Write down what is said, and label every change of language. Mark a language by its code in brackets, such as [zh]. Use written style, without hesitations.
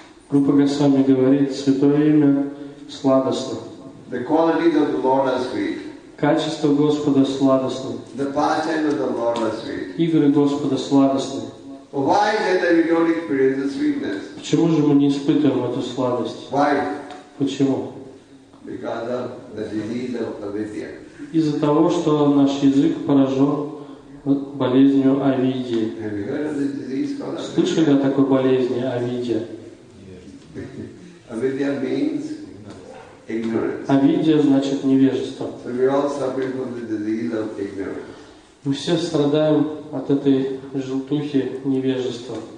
[ru] Группа Госвами говорит, Святое Имя сладостно. [en] The qualities of the Lord are sweet. [ru] Качество Господа сладостно. [en] The pastime of the Lord are sweet. [ru] Игры Господа сладостны. [en] Why is it that we don't experience the sweetness? [ru] Почему же мы не испытываем эту сладость? [en] Why? [ru] Почему? [en] Because of the disease of avidya. [ru] Из-за того, что наш язык поражен болезнью авидьи. [en] Have you heard of the disease called avidya? [ru] Слышали о такой болезни авидьи? [en] Avidya means [ru] Авидья значит невежество. [en] So we all suffer from the disease of ignorance. [ru] Мы все страдаем от этой желтухи невежества.